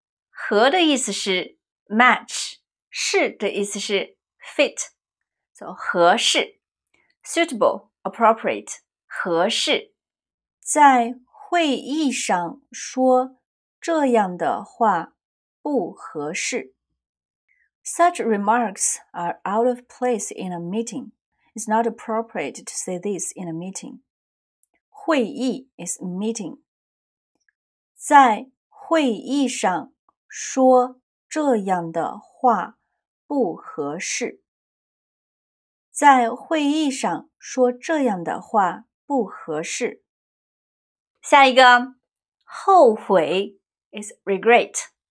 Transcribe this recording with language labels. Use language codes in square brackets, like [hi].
[zh] 合的意思是 match, 适的意思是 fit, so 合适 suitable, appropriate, 合适。在会议上说这样的话不合适。 [en] Such remarks are out of place in a meeting. It's not appropriate to say this in a meeting. 会议 is meeting. [zh] 在会议上说这样的话不合适。在会议上说这样的话不合适。下一个，后悔 is regret.